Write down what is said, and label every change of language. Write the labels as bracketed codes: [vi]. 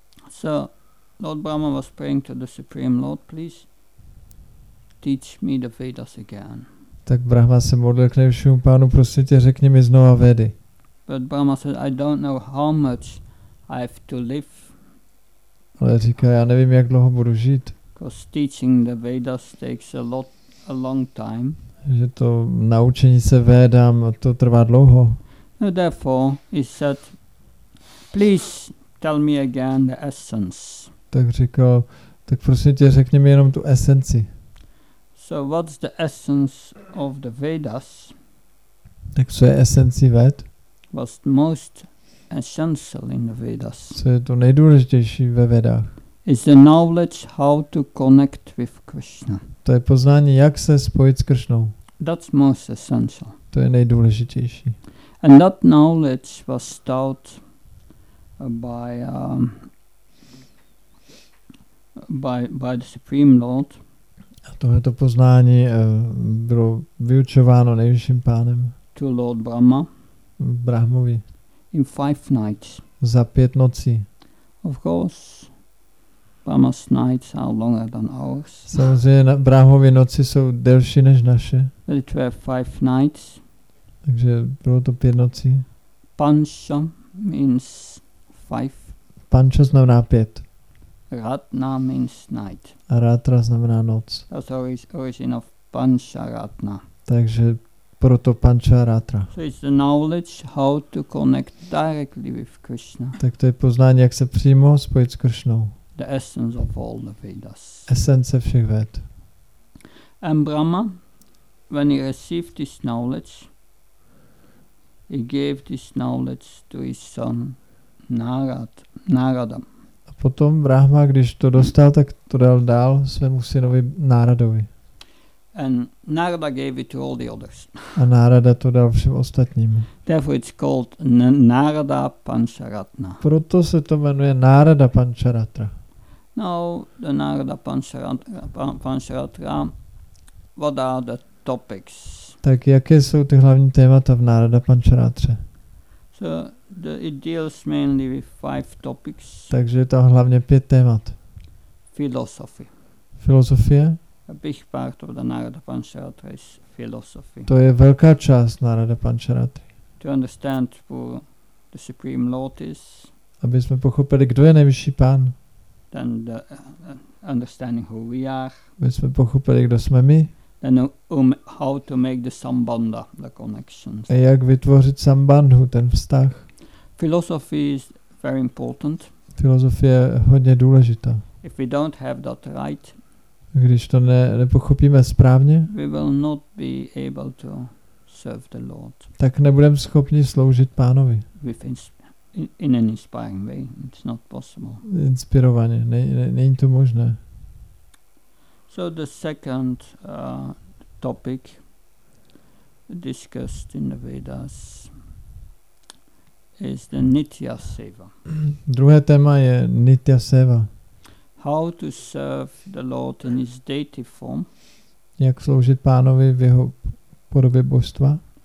[en] So Lord Brahma was praying to the Supreme Lord, please teach me the Vedas again. [cs] Tak Brahma se modlil k nejvyššímu pánu, prosím tě, řekni mi znova Vedy. [en] But Brahma said, I don't know how much I have to live. [cs] Ale říká, já nevím, jak dlouho budu žít. [en] Because teaching the Vedas takes a long time. [cs] Že to naučení se Védám, to trvá dlouho. [en] No, therefore, he said, please tell me again the essence. [cs] Tak říkal, tak prosím tě, řekni mi jenom tu esenci. [en] So what's the essence of the Vedas? [cs] Tak co je esenci Véd? [en] What's most essential in the Vedas? [cs] Co je to nejdůležitější ve Vedách? [en] Is the knowledge how to connect with Krishna. [cs] To je poznání, jak se spojit s Krishnou. [en] That's most essential. [cs] To je nejdůležitější. [en] And that knowledge was taught by the Supreme Lord. [cs] A tohle to poznání bylo vyučováno nejvyšším pánem. [en] To Lord Brahma. [cs] Brahmovi. [en] In five nights. [cs] Za pět nocí. [en] Of course. Brahma's nights are longer than ours. [cs] Samozřejmě Brahmovy noci jsou delší než naše. [en] It were five nights. [cs] Takže bylo to pět nocí. [en] Pancha means five. [cs] Pancha znamená pět. [en] Ratna means night. [cs] A Ratra znamená noc. [en] That's origin of Pancha Ratna. [cs] Takže proto Pancha Ratra. [en] So it's the knowledge how to connect directly with Krishna. [cs] Tak to je poznání, jak se přímo spojit s Krishnou. [en] The essence of all the Vedas. [cs] Esence všech Ved. [en] And Brahma, when he received this knowledge, he gave this knowledge to his son Narada. [cs] A potom Brahma, když to dostal, tak to dal dál svému synovi Náradovi. [en] And Narada gave it to all the others. [cs] A Narada to dal všem ostatním. [en] Therefore it's called Narada Pancharatna. [cs] Proto se to jmenuje Narada Pancharatra. [en] Now, the Narada Pancharatra, what are the topics? [cs] Tak jaké jsou ty hlavní témata v Narada Pancharatře? [en] So, it deals mainly with five topics. [cs] Takže je tam hlavně pět témat. [en] Philosophy. [cs] Filozofie. [en] A big part of the Narada Pancharatra is philosophy. [cs] To je velká část Narada Pancharatry. [en] To understand who the Supreme Lord is. [cs] Aby jsme pochopili, kdo je nejvyšší pán. [en] Then the understanding who we are. [cs] My jsme pochopili, kdo jsme my. [en] Then how to make the sambandha, the connections. [cs] A jak vytvořit sambandhu, ten vztah. [en] Philosophy is very important. [cs] Filozofie je hodně důležitá. [en] If we don't have that right, [cs] když to nepochopíme správně, [en] we will not be able to serve the Lord. [cs] Tak nebudeme schopni sloužit pánovi. [en] In an inspiring way, it's not possible. [cs] Inspirovaně, není to možné. [en] So the second topic discussed in the Vedas is the Nitya Seva. [cs] Druhé téma je Nitya Seva. [en] How to serve the Lord in his deity form? [cs] Jak sloužit pánovi v jeho podobě božstva?